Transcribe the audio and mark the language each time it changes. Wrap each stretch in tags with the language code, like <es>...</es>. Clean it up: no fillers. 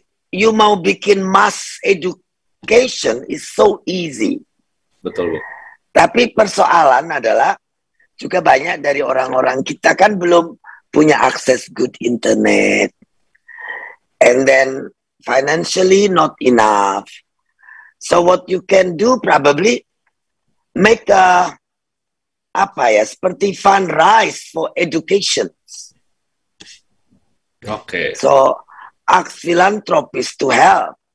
<en>You</en> <id>mau bikin</id> <en>mass education is so easy.</en> <id>Betul, Bu. Tapi persoalan adalah juga banyak dari orang-orang kita kan belum punya akses</id> <en>good internet. And then financially not enough. So what you can do probably make a</en> <id>apa ya seperti</id> <en>fundraise for education. Okay. So ask philanthropists to help.</en>